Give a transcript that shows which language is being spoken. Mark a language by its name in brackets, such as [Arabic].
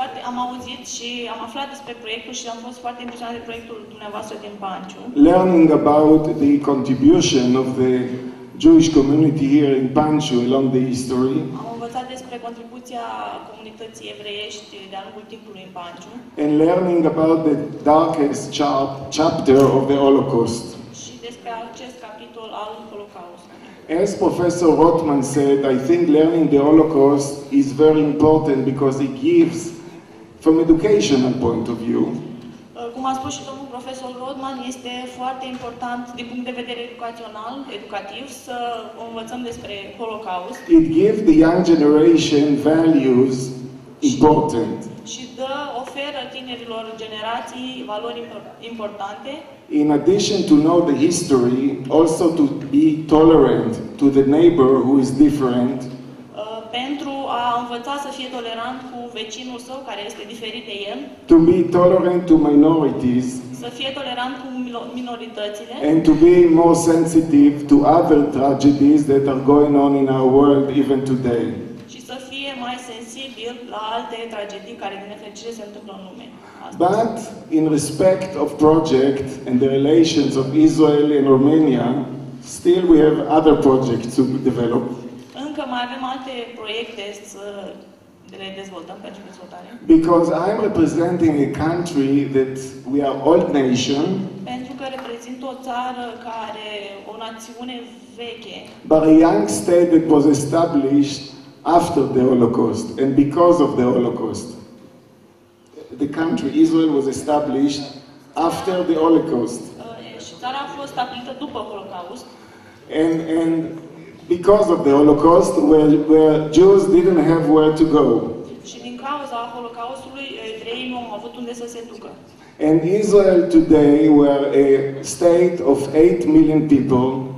[Romanian] Am auzit și am aflat despre proiectul și am fost foarte impresionat de proiectul dumneavoastră din Panciu. [English] Learning about the contribution of the Jewish community here in Panciu along the history. [Romanian] Am învățat despre contribuția comunității evreiești de-a lungul timpului în Panciu. [English] And learning about the darkest chapter of the Holocaust. [Romanian] Și despre acest capitol al Holocaustului. [English] As Professor Rotman said, I think learning the Holocaust is very important because it gives, from educational point of view. [Romanian] Cum a spus și domnul profesor Rotman, este foarte important din punct de vedere educațional, educativ, să învățăm despre Holocaust. [English] It gives the young generation values important. [Romanian] Și dă, oferă tinerilor generații valori importante. [English] In addition to know the history, also to be tolerant to the neighbor who is different. [Romanian] Pentru a învăța să fie tolerant cu vecinul său care este diferit de el. [English] To be tolerant to minorities. [Romanian] Să fie tolerant cu minoritățile. [English] And to be more sensitive to other tragedies that are going on in our world even today. [Romanian] Și să fie mai sensibil la alte tragedii care din nefericire se întâmplă în lume. [English] But in respect of project and the relations of Israel and Romania, still we have other projects to develop. [Romanian] Încă mai avem alte proiecte să le dezvoltăm pentru dezvoltare. [English] Because I'm representing a country that we are old nation. [Romanian] Pentru că reprezint o țară care o națiune veche. [English] But a young state that was established after the Holocaust and because of the Holocaust. The country Israel was established after the Holocaust. [Romanian] Țara a fost stabilită după Holocaust. [English] And because of the Holocaust, where Jews didn't have where to go. [Romanian] Și din cauza Holocaustului, evreii nu au avut unde să se ducă. [English] And Israel today were a state of 8 million people.